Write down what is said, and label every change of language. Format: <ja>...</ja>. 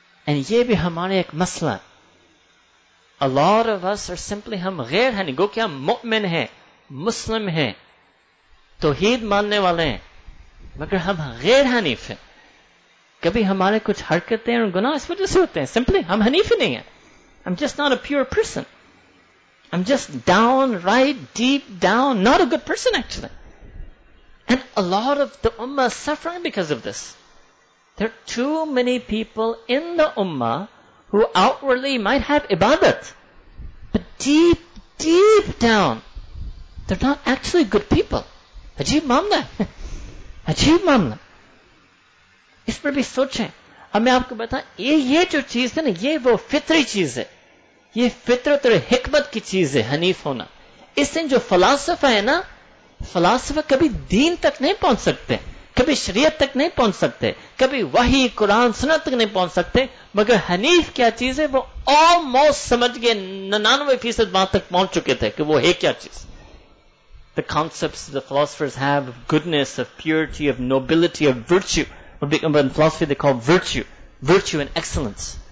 <ur>And یہ بھی ہمارے ایک مسئلہ ہے.</ur> <en>A lot of us are simply</en> <ur>ہم غیر ہیں, گو کہ ہم مؤمن ہیں, مسلم ہیں, توحید ماننے والے ہیں, مگر ہم غیر حنیف ہیں. کبھی ہمارے کچھ حرکتیں اور گناہ اس وجہ سے ہوتے ہیں, سمپلی ہم حنیف نہیں ہیں.</ur> <en>I'm just not a pure person. I'm just downright deep down not a good person actually. And a lot of the ummah is suffering because of this. There are too many people in the ummah who outwardly might have ibadat, but deep, deep down, they're not actually good people.</en> <ur>Ajeeb mamla. Ajeeb mamla. اس پر بھی سوچیں. اب میں آپ کو بتاؤں, یہ جو چیز ہے نا, یہ وہ فطری چیز ہے, یہ فطرت اور حکمت کی چیز ہے حنیف ہونا. اس سے جو فلاسفہ ہے نا, فلاسفہ کبھی دین تک نہیں پہنچ سکتے, کبھی شریعت تک نہیں پہنچ سکتے, کبھی وحی قرآن سنت تک نہیں پہنچ سکتے, مگر حنیف کیا چیز ہے, وہ آلموسٹ سمجھ گئے 99% بات تک پہنچ چکے تھے کہ وہ ہے کیا چیز.</ur> <en>The concepts the philosophers have of goodness, of purity, of nobility, of virtue. But in philosophy they call virtue, virtue and excellence.</en>